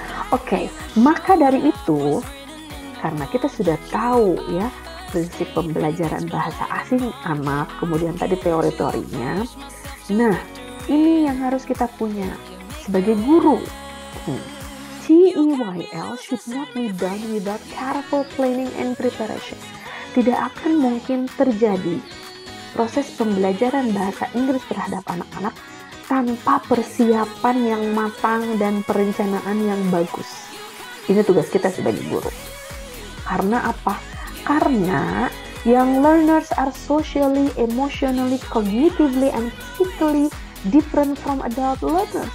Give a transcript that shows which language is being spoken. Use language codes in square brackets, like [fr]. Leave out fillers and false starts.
[id] Oke, maka dari itu, karena kita sudah tahu ya prinsip pembelajaran bahasa asing anak, kemudian tadi teori-teorinya, nah ini yang harus kita punya sebagai guru. [en] TEYL should not be done without careful planning and preparation. [id] Tidak akan mungkin terjadi proses pembelajaran bahasa Inggris terhadap anak-anak tanpa persiapan yang matang dan perencanaan yang bagus. Ini tugas kita sebagai guru. Karena apa? Karena [en] young learners are socially, emotionally, cognitively, and physically different from adult learners.